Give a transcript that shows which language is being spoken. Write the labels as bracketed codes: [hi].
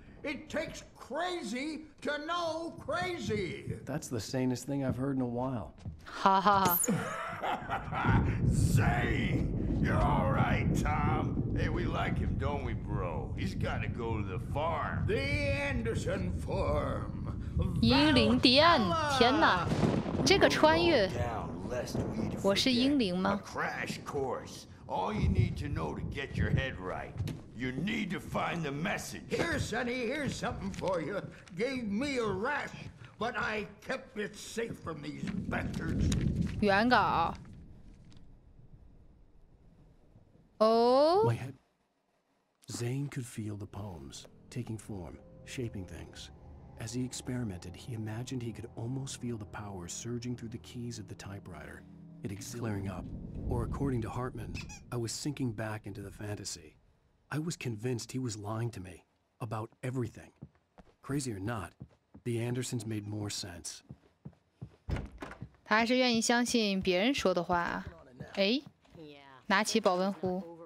[en] It takes crazy to know crazy. That's the sanest thing I've heard in a while. Ha ha. Say, you're all right, Tom. Hey, we like him, don't we, bro? He's got to go to the farm. The Anderson farm. [zh] 英灵迪安，天哪，这个穿越，我是英灵吗 [en] ？Crash course. All you need to know to get your head right. You need to find the message. Here, Sonny, here's something for you. Gave me a rash, but I kept it safe from these bastards. [zh] 原稿。哦、oh?。 [en] My head. Zane could feel the poems taking form, shaping things. As he experimented, he imagined he could almost feel the power surging through the keys of the typewriter. It clearing up, or according to Hartman, I was sinking back into the fantasy. I was convinced he was lying to me about everything. Crazy or not, the Andersons made more sense. [zh] 他还是愿意相信别人说的话。哎，拿起保温壶。